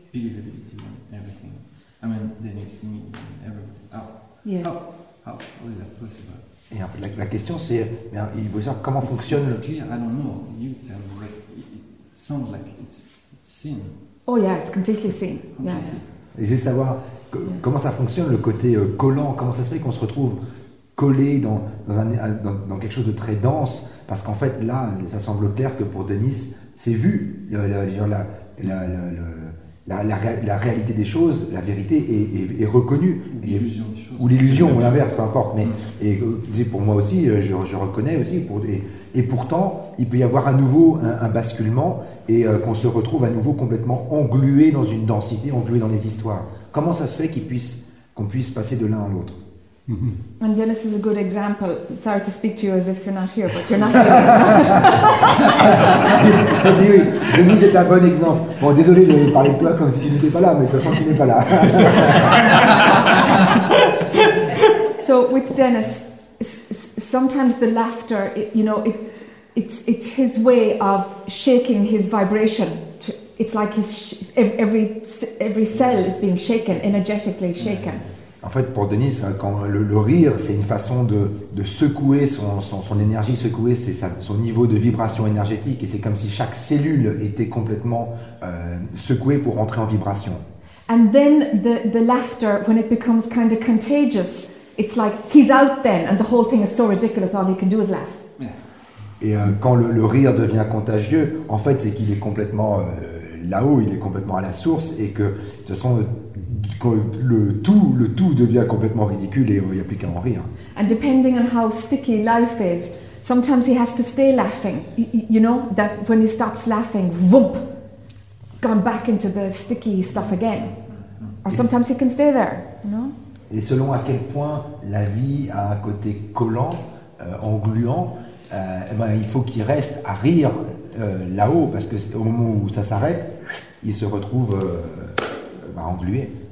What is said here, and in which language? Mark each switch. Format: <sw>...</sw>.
<en>believability and everything? I mean, Denise, me, everybody. Oh. Yes. Oh. How is that possible?</en> <fr>Et en fait, la question c'est, mais il veut dire comment</fr> <en>it's,</en> <fr>fonctionne</fr> <en>it's clear, I don't know. You tell me, it sounds like it's seen. Oh yeah, it's completely seen.</en> <fr>Et je veux savoir comment ça fonctionne, le côté collant, comment ça se fait qu'on se retrouve collé dans quelque chose de très dense, parce qu'en fait, là, ça semble clair que pour Denise, c'est vu, la réalité des choses, la vérité est reconnue. Ou l'illusion, ou l'inverse, peu importe. Et pour moi aussi, je reconnais aussi. Et pourtant, il peut y avoir à nouveau un basculement et qu'on se retrouve à nouveau complètement englué dans une densité, englué dans les histoires. Comment ça se fait qu'on puisse passer de l'un à l'autre?</fr> <en>And Dennis is a good example. Sorry to speak to you as if you're not here, but you're not here.</en> <fr>Oui, Denise est un bon exemple. Bon, désolé de parler de toi comme si tu n'étais pas là, mais de toute façon, tu n'es pas là.</fr> <en>So with Dennis, sometimes the laughter, it's his way of shaking his vibration. It's like every cell is being shaken, energetically shaken.</en> <fr>En fait, pour Denise, quand le rire, c'est une façon de secouer son énergie, secouer son niveau de vibration énergétique, et c'est comme si chaque cellule était complètement secouée pour entrer en vibration.</fr> <en>And then the laughter, when it becomes kind of contagious, it's like he's out then, and the whole thing is so ridiculous, all he can do is laugh. Yeah.</en> <fr>Et quand le rire devient contagieux, en fait, c'est qu'il est complètement là-haut, il est complètement à la source, et que de toute façon. Le tout devient complètement ridicule et il n'y a plus qu'à en rire.</fr> <en>And depending on how sticky life is, sometimes he has to stay laughing. You know that when he stops laughing, whoop, gone back into the sticky stuff again. Or sometimes he can stay there. You know.</en> <fr>Et selon à quel point la vie a un côté collant, engluant, il faut qu'il reste à rire là-haut parce que au moment où ça s'arrête, il se retrouve englué.</fr>